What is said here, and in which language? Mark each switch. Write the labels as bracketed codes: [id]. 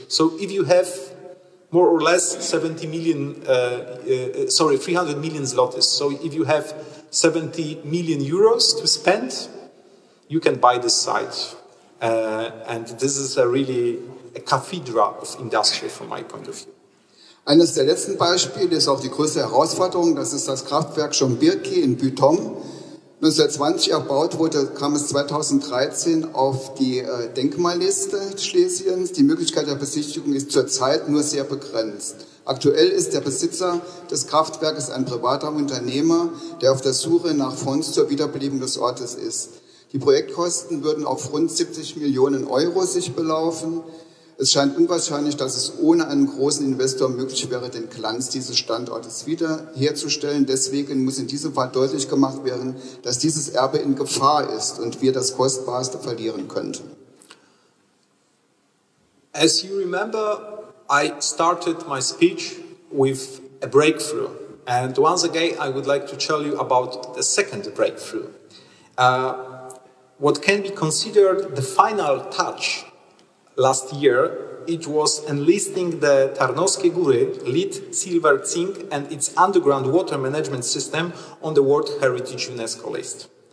[en] So if you have more or less 300 million zlotys. So if you have 70 million euros to spend, you can buy this site. And this is really a cathedral of industry from my point of view. [de] Eines der letzten Beispiele ist auch die größte Herausforderung. Das ist das Kraftwerk Schombierki in Beton. 1920 erbaut wurde, kam es 2013 auf die Denkmalliste Schlesiens. Die Möglichkeit der Besichtigung ist zurzeit nur sehr begrenzt. Aktuell ist der Besitzer des Kraftwerkes ein privater Unternehmer, der auf der Suche nach Fonds zur Wiederbelebung des Ortes ist. Die Projektkosten würden auf rund 70 Millionen Euro sich belaufen. Es scheint unwahrscheinlich, dass es ohne einen großen Investor möglich wäre, den Glanz dieses Standortes wiederherzustellen. Deswegen muss in diesem Fall deutlich gemacht werden, dass dieses Erbe in Gefahr ist und wir das Kostbarste verlieren könnten. [en] As you remember, I started my speech with a breakthrough. And once again, I would like to tell you about the second breakthrough. What can be considered the final touch last year, it was enlisting the Tarnowskie Góry lead silver zinc and its underground water management system on the World Heritage UNESCO list.